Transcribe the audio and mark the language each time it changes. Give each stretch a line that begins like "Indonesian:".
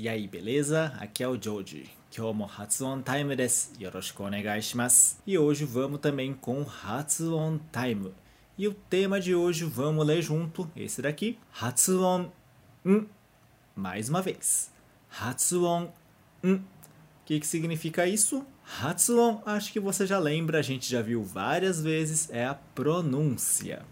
Portuguese: やいベレーザー、aqui é o George。
Japanese: 今日も発音タイムです。よろしくお願いします。
Portuguese: E hoje vamos também com 発音タイム。 E o tema de hoje vamos ler junto esse daqui。発音、ん、mais uma vez。発音、ん、que significa isso? 発音、acho que você já lembra, a gente já viu várias vezes, é a pronúncia。